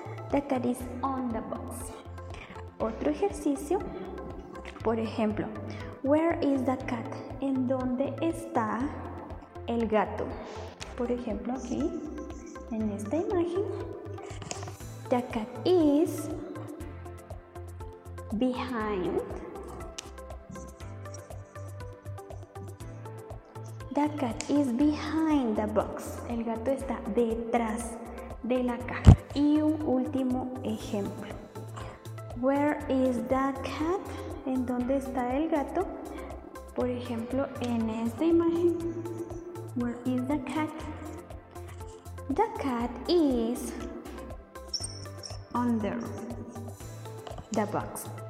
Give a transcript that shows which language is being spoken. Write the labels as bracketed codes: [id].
[en] The cat is on the box. [es] Otro ejercicio, por ejemplo, [en] where is the cat? [es] ¿En dónde está el gato? Por ejemplo, aquí, en esta imagen, [en] the cat is behind. The cat is behind the box. [es] El gato está detrás de la caja. Y un último ejemplo. [en] Where is the cat? [es] ¿En dónde está el gato? Por ejemplo, en esta imagen. [en] Where is the cat? The cat is under the box.